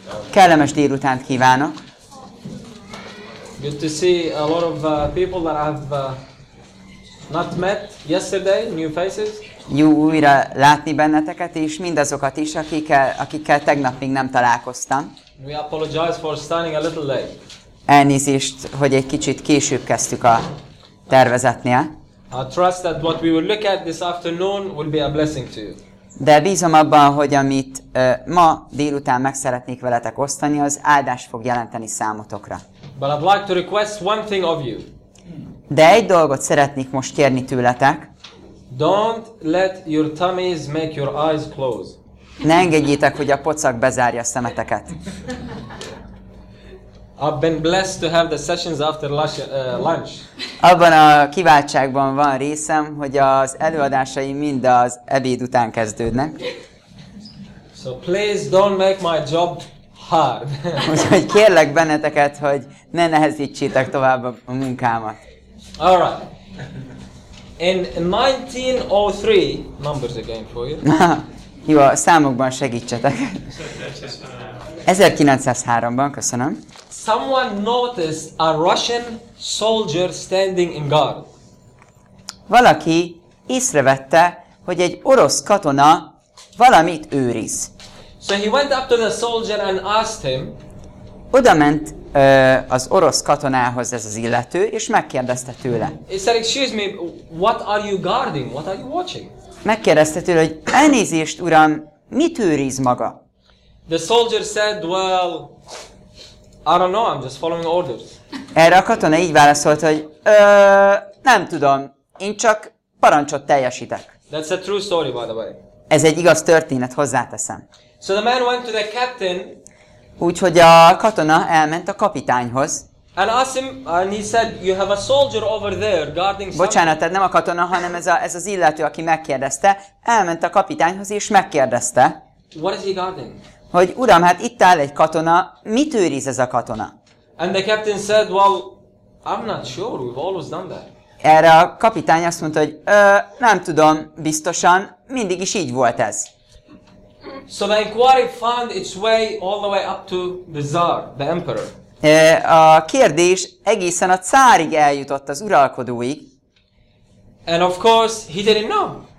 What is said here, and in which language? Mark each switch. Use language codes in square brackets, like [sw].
[hu] Kellemes délutánt kívánok. [en] Good to see a lot of people that I have not met yesterday, new faces. [hu] Jó újra látni benneteket és mindazokat is, akikkel tegnap még nem találkoztam. [en] We apologize for starting a little late. [hu] Elnézést, hogy egy kicsit később kezdtük a tervezetnél. [en] I trust that what we will look at this afternoon will be a blessing to you. [hu] De bízom abban, hogy amit ma délután meg szeretnék veletek osztani, az áldás fog jelenteni számotokra. [en] But I'd like to request one thing of you. [hu] De egy dolgot szeretnék most kérni tőletek. [en] Don't let your tummies make your eyes close. [hu] Ne engedjétek, hogy a pocak bezárja a szemeteket. [en] I've been blessed to have the sessions after lunch. [hu] Abban a kiváltságban van részem, hogy az előadásai mind az ebéd után kezdődnek. [en] So please don't make my job hard. [hu] Úgyhogy kérlek benneteket, hogy ne nehezítsétek tovább a munkámat. [en] All right. In 1903, numbers again for you. [hu] Jó, a számokban segítsetek. 1903-ban, köszönöm. [en] Someone noticed a Russian soldier standing in guard. [hu] Valaki észrevette, hogy egy orosz katona valamit őriz. [en] So he went up to the soldier and asked him. [hu] Oda ment az orosz katonához ez az illető, és megkérdezte tőle. [en] He said, excuse me, what are you guarding? What are you watching? [hu] Megkérdezte tőle, hogy elnézést, uram, mit őriz maga? [en] The soldier said, well, I don't know, I'm just following orders. [hu] Erre a katona így válaszolta, hogy nem tudom, én csak parancsot teljesítek. [en] That's a true story, by the way. [hu] Ez egy igaz történet, hozzáteszem. [en] So the man went to the captain. [hu] Úgyhogy a katona elment a kapitányhoz. [en] And asked him, and he said, you have a soldier over there guarding something. [hu] Bocsánat, tehát nem a katona, hanem ez az illető, aki megkérdezte, elment a kapitányhoz és megkérdezte. [en] What is he guarding? [hu] Hogy uram, hát itt áll egy katona, mit őriz ez a katona? [en] And the captain said, well, I'm not sure, we've always done that. [hu] Erre a kapitány azt mondta, hogy nem tudom, biztosan, mindig is így volt ez. [en] So the inquiry found its way all the way up to the Tsar, the Emperor. [hu] A kérdés egészen a cárig eljutott az uralkodóig. [en] And of course, he didn't know.